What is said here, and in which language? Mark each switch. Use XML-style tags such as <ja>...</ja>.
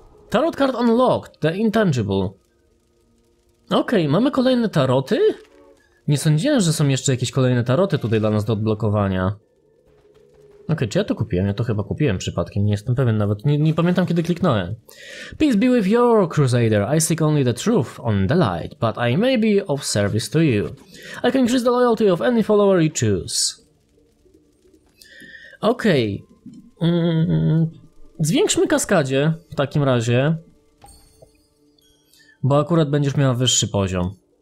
<en>Tarot card unlocked. The intangible. Okej, okay,</en> <pl>mamy kolejne taroty? Nie sądziłem, że są jeszcze jakieś kolejne taroty tutaj dla nas do odblokowania. Okej, okay, czy ja to kupiłem? Ja to chyba kupiłem przypadkiem, nie jestem pewien nawet, nie pamiętam kiedy kliknąłem.</pl> <en>Peace be with your crusader, I seek only the truth on the light, but I may be of service to you. I can increase the loyalty of any follower you choose.</en> <pl>Okej. Okay. Zwiększmy kaskadzie w takim razie. Bo akurat będziesz miała wyższy poziom.</pl>